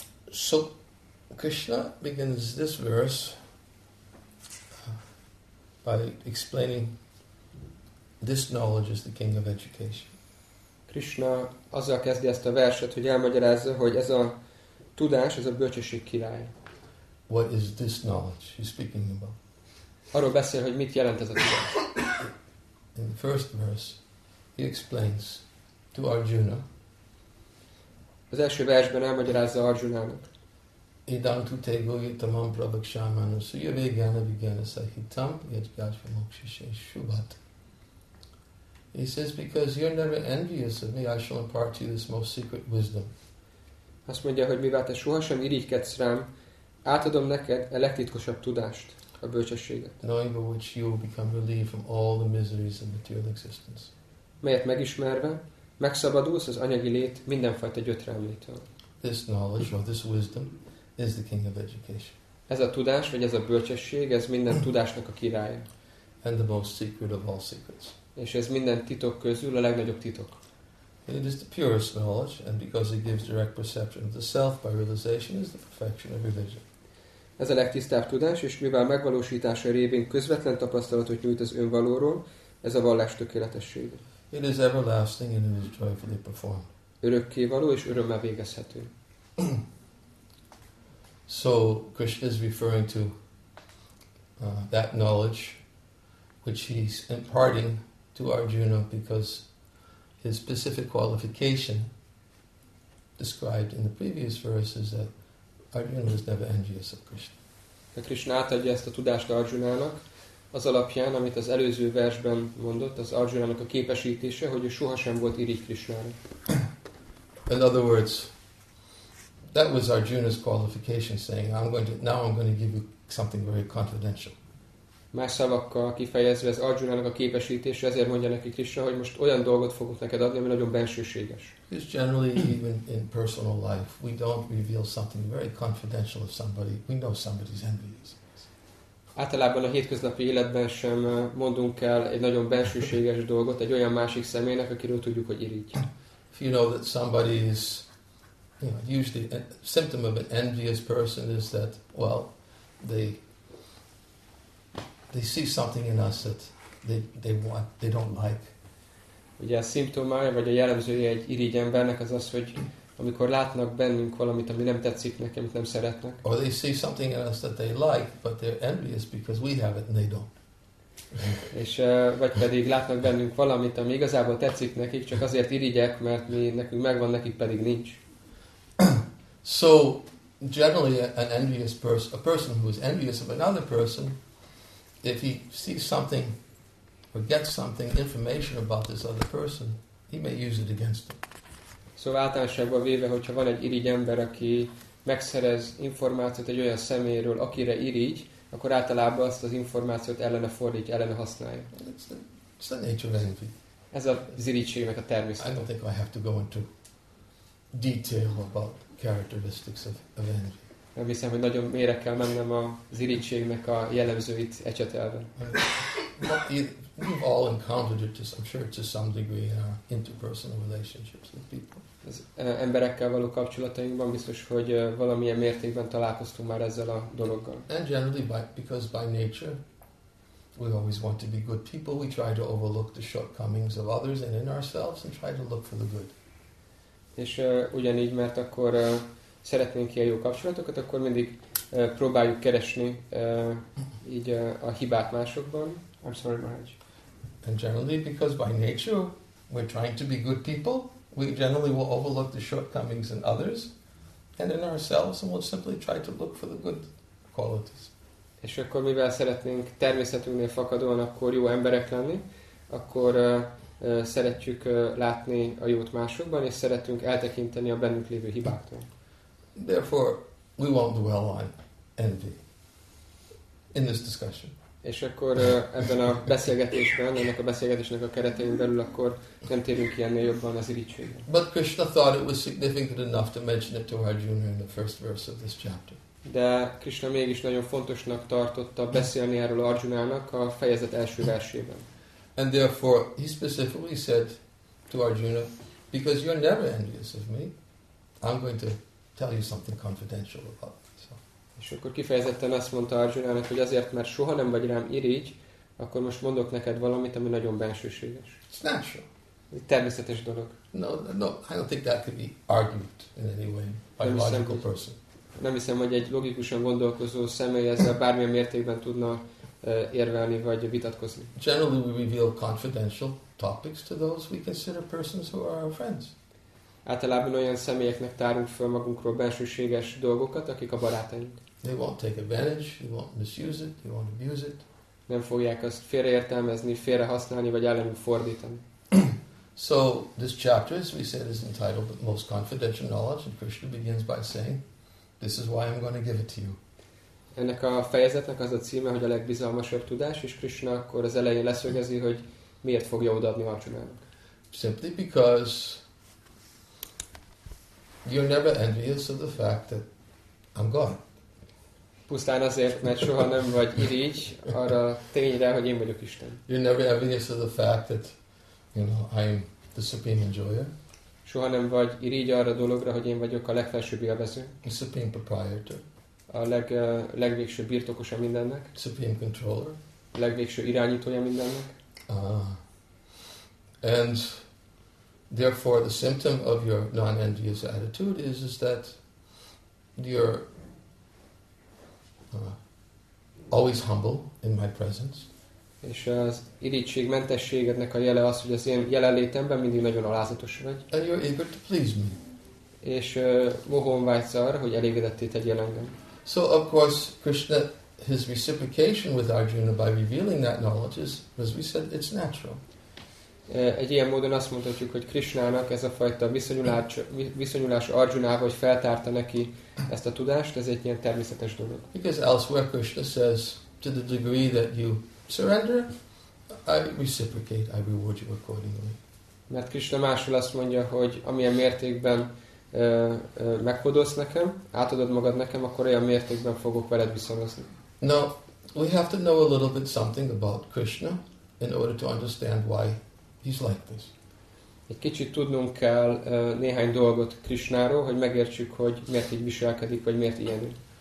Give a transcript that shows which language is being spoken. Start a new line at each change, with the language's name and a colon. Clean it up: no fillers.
English: So Krishna begins this verse by explaining this knowledge is the king of education.
Hungarian: Krishna azzal kezdi ezt a verset, hogy elmagyarázza, hogy ez a tudás, ez a bölcsesség király.
English: What is this knowledge he's speaking about?
Hungarian: Arról beszél, hogy mit jelent ez a tudás.
English: In the first verse, he explains to Arjuna.
Hungarian: Az első versben elmagyarázza Arjunának.
Sanskrit: Idam tu te guhyatamam pravakshamanu suyave gyana vigyana sahitam yajgatva mokshishe shubhat.
English: He says, because you're never envious of me, I shall impart to you this most secret wisdom.
Hungarian: Azt mondja, hogy mivel te sohasem irigykedsz rám, átadom neked a legtitkosabb tudást, a bölcsességet.
English: Knowing by which you will become relieved from all the miseries of material existence.
Hungarian: Melyet megismerve, megszabadulsz az anyagi lét mindenfajta gyötrelmétől.
English: This knowledge, or this wisdom, is the king of education.
Hungarian: Ez a tudás, vagy ez a bölcsesség, ez minden tudásnak a királya.
English: And the most secret of all secrets.
Hungarian: És ez minden titok közül a legnagyobb titok.
English: It is the purest knowledge, and because it gives direct perception of the self by realization, is the perfection of religion.
Hungarian: Ez a legtisztább tudás, és mivel megvalósítása révén közvetlen tapasztalatot nyújt az önvalóról, ez a vallás tökéletessége.
English: It is everlasting and it is joyfully performed.
Hungarian: Örökké való és örömmel végezhető.
English: So Krishna is referring to that knowledge which he's imparting to Arjuna because his specific qualification described in the previous verse is that Arjuna was never envious of Krishna.
Hungarian: Krishna átadja ezt a tudást Arjunának, az alapján, amit az előző versben mondott, az Arjunának a képesítése, hogy ő sohasem volt irigy Krishnára.
English: In other words, that was Arjuna's qualification, saying, "I'm going to give you something very confidential."
Hungarian: Más szavakkal kifejezve, ez Arjunának a képesítése, ezért mondja neki Krishna, hogy most olyan dolgot fogok neked adni, ami nagyon bensőséges.
English: It's generally even in personal life, we don't reveal something very confidential of somebody. We know somebody's envious.
Hungarian: Általában a hétköznapi életben sem mondunk el egy nagyon bensőséges dolgot egy olyan másik személynek, akiről tudjuk, hogy irigy.
English: If you know that somebody is, you know, usually a symptom of an envious person is that, well, they see something in us that they want, they don't like.
Hungarian: Ugye a szimptomája, vagy a jellemzője egy irigy embernek az az, hogy amikor látnak bennünk valamit, ami nem tetszik nekem, amit nem szeretnek.
English: Or they see something in us that they like, but they're envious because we have it and they don't.
Hungarian: És vagy pedig látnak bennünk valamit, ami igazából tetszik nekik, csak azért irigyek, mert mi nekünk megvan, nekik pedig nincs.
English: So generally an envious person, a person who is envious of another person, if he sees something or gets something information about this other person, he may use it against them.
Hungarian: Szóval általánosságban véve, hogyha van egy irigy ember, aki megszerez információt egy olyan személyről, akire irigy, akkor általában azt az információt ellene fordítja, ellene használja.
English: It's the nature of envy.
Hungarian: Ez az irigységnek a természete.
English: I don't think I have to go into detail about characteristics of envy.
Hungarian: Nem hiszem, hogy nagyon mélyre kell mennem az irigységnek a jellemzőit ecsetelve.
English: We've all encountered it, I'm sure, to some degree in our interpersonal relationships with people.
Hungarian: Az emberekkel való kapcsolatainkban biztos, hogy valamilyen mértékben találkoztunk már ezzel a dologgal.
English: And generally, because by nature, we always want to be good people, we try to overlook the shortcomings of others and in ourselves and try to look for the good.
Hungarian: És ugyanígy, mert akkor szeretnénk ilyen jó kapcsolatokat, akkor mindig próbáljuk keresni így a hibát másokban.
English: I'm sorry, Maharaj. And generally, because by nature, we're trying to be good people, we generally will overlook the shortcomings in others and in ourselves and we'll simply try to look for the good qualities.
Hungarian: És akkor mivel szeretnénk természetünknél fakadóan akkor jó emberek lenni, akkor szeretjük látni a jót másokban és szeretünk eltekinteni a bennünk lévő hibáktól.
English: Therefore, we won't dwell on envy in this discussion.
Hungarian: És akkor ebben a beszélgetésben, ennek a beszélgetésnek a keretein belül, akkor nem térünk ki ennél jobban az irigységre.
English: But Krishna thought it was significant enough to mention it to Arjuna in the first verse of this chapter.
Hungarian: De Krishna mégis nagyon fontosnak tartotta beszélni erről Arjunának a fejezet első versében.
English: And therefore he specifically said to Arjuna, because you're never envious of me, I'm going to tell you something confidential about it.
Hungarian: És akkor kifejezetten azt mondta Arjunának, hogy azért, mert soha nem vagy rám irigy, akkor most mondok neked valamit, ami nagyon bensőséges.
English: It's natural.
Hungarian: Ez egy természetes dolog.
English: No, I don't think that could be argued in any way by a logical person.
Hungarian: Nem hiszem, hogy egy logikusan gondolkozó személy ezzel bármilyen mértékben tudna érvelni vagy vitatkozni.
English: Generally we reveal confidential topics to those we consider persons who are our friends.
Hungarian: Általában olyan személyeknek tárunk föl magunkról bensőséges dolgokat, akik a barátaink.
English: They won't take advantage, they won't misuse it, they won't abuse it.
Hungarian: Nem fogják azt félreértelmezni, félrehasználni, vagy ellenük fordítani.
English: So this chapter, as we said, is entitled "The Most Confidential Knowledge," and Krishna begins by saying, "This is why I'm going to give it to you."
Hungarian: Ennek a fejezetnek az a címe, hogy a legbizalmasabb tudás, és Krishna akkor az elején leszögezi, hogy miért fogja odaadni Arjunának.
English: Simply because you're never envious of the fact that I'm God.
Hungarian: Pusztán azért, mert soha nem vagy irigy arra tényre, hogy én vagyok Isten.
English: You're never envious of the fact that, you know, I'm the supreme enjoyer.
Hungarian: Soha nem vagy irigy arra dologra, hogy én vagyok a legfelsőbb élvező.
English: The supreme proprietor.
Hungarian: A legvégső birtokosa mindennek.
English: The supreme controller.
Hungarian: A legvégső irányítója mindennek.
English: And therefore, the symptom of your non-envious attitude is that you're always humble in my presence.
Hungarian: És az irítség mentességednek a jele az, hogy az én jelenlétemben mindig nagyon alázatos vagy.
English: And you're able to please me.
Hungarian: És mohón vágysz arra, hogy elégedetté tegyél engem.
English: So of course Krishna, his reciprocation with Arjuna by revealing that knowledge is, as we said, it's natural.
Hungarian: Egy ilyen módon azt mondhatjuk, hogy Krishnának ez a fajta viszonyulás Arjunával, hogy feltárta neki ezt a tudást, ez egy ilyen természetes dolog.
English: Because elsewhere Krishna says, to the degree that you surrender, I reciprocate, I reward you accordingly.
Hungarian: Mert Krishna máshol azt mondja, hogy amilyen mértékben meghódolsz nekem, átadod magad nekem, akkor olyan mértékben fogok veled viszonyozni.
English: Now, we have to know a little bit something about Krishna in order to understand why he's like this.
Hungarian: Egy kicsit tudnunk kell néhány dolgot Krishnáról, hogy megértsük, hogy miért így viselkedik, vagy miért ilyen.